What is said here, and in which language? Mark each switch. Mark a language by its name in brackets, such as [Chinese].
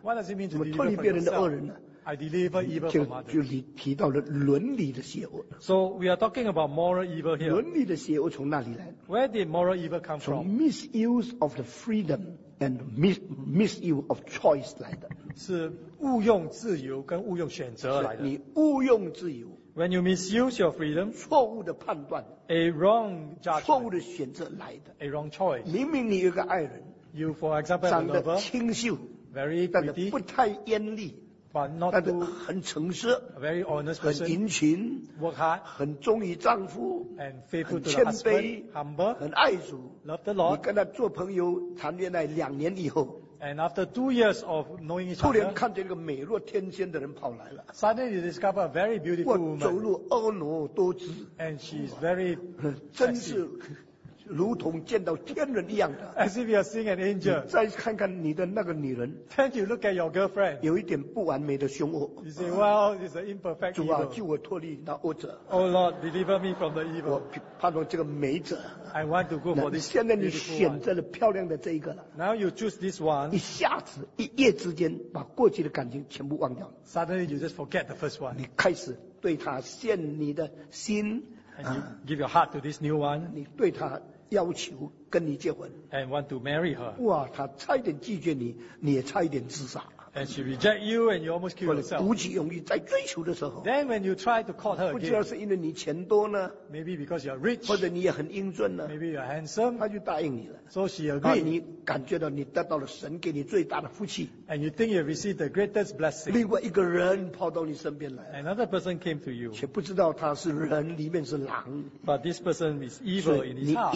[English] What does it mean to deliver [Chinese] 脱离别人的恶人呢？ [English] I deliver evil from others. [Chinese] 就提到了伦理的邪恶。 [English] So we are talking about moral evil here. [Chinese] 伦理的邪恶从哪里来？ [English] Where did moral evil come from? [Chinese] 从 [English] misuse of the freedom. And misuse of choice [Chinese] 来的，是误用自由跟误用选择来的。你误用自由 [English] ，when you misuse your freedom， [Chinese] 错误的判断 [English] ，a wrong judgment， [Chinese] 错误的选择来的 [English] ，a wrong choice。 [Chinese] 明明你有个爱人 [English] ，you for example [Chinese] 长得清秀 [English] ，very pretty， [Chinese] 但是不太艳丽 [English] ，but not too， [Chinese] 但是很诚实 [English] ，very honest person， [Chinese] 很殷勤 [English] ，work hard， [Chinese] 很忠于丈夫 [English] ，and faithful to the husband， [Chinese] 很谦卑，humble， 很爱主。 [English] Love the Lord. [Chinese] 你跟他做朋友谈恋爱两年以后， [English] and after 2 years of knowing each other, [Chinese] 突然看见一个美若天仙的人跑来了， [English] suddenly you discover a very beautiful woman. [Chinese] 走路婀娜多姿， [English] and she's very [Chinese] 真是如同见到天人一样的， [English] as if you are seeing an angel. [Chinese] 再看看你的那个女人， [English] then you look at your girlfriend. [Chinese] 有一点不完美的凶恶， [English] you say, well, it's an imperfect evil. [Chinese] 主啊，救我脱离那恶者。 [English] Oh Lord, deliver me from the evil. [Chinese] 我盼望这个美者。 [English] I want to go for this. [Chinese] 现在你选择了漂亮的这一个了。 [English] Now you choose this one. [Chinese] 一下子一夜之间把过去的感情全部忘掉了。 [English] Suddenly you just forget the first one. [Chinese] 你开始对他献你的心。 [English] And you give your heart to this new one. [Chinese] 你对他要求跟你结婚。 [English] And want to marry her. [Chinese] 哇，他差一点拒绝你，你也差一点自杀。 [English] And she reject you and you almost kill yourself. [Chinese] 鼓起勇气再追求的时候, [English] then when you try to court her again, [Chinese] 不知道是因为你钱多呢, [English] maybe because you're rich, [Chinese] 或者你也很英俊呢, [English] maybe you're handsome, [Chinese] 她就答应你了, [English] so she agreed. [Chinese] 你感觉到你得到了神给你最大的福气, [English] and you think you received the greatest blessing. [Chinese] 另外一个人跑到你身边来, [English] another person came to you, [Chinese] 却不知道他是人里面是狼, [English] but this person is evil in his heart.